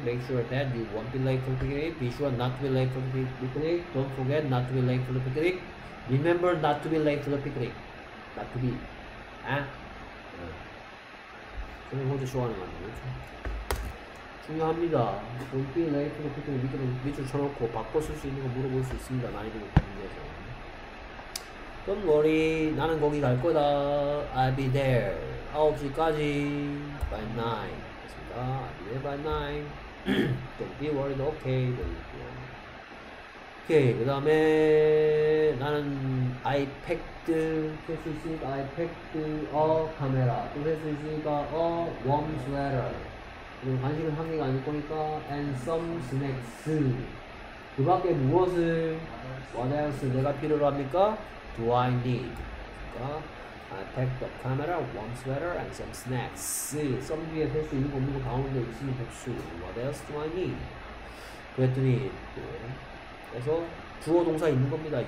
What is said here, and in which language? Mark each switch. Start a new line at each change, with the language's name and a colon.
English: Make sure that you won't be late for the picnic. Be sure not to be late for the picnic. Don't forget not to be late for the picnic. Remember not to be late for the picnic. Not to be. 아?
Korean: 저는 혼자 좋아하는 거 아니에요? 중요합니다.
English: Don't be late for the picnic.
Korean: 밑으로 쳐놓고 바꿔 쓸수 있는 거 물어볼 수 있습니다. 난이도 높은 문제에서.
English: Don't worry,
Korean: 나는 거기 갈 거다.
English: I'll be there.
Korean: 9시까지.
English: By 9.
Korean: 됐습니다.
English: I'll be there by 9. Don't be worried, okay.
Korean: 오케이, 그 다음에 나는 아이패드 쓸수 있으니까 아이패드 카메라 또쓸수 있으니까 웜 스웨터 그리고 간식은 한 개가 아닐 거니까
English: and some snacks
Korean: 그 밖에 무엇을
English: what else
Korean: 내가 필요로 합니까?
English: do I need 그러니까 I packed the camera, warm sweater, and some snacks.
Korean: 썸 뒤에 셀수 있는 거 없는 거 가운데 있으면 백수.
English: What else do I need?
Korean: 그랬더니 또 그래서 주어 동사 있는 겁니다.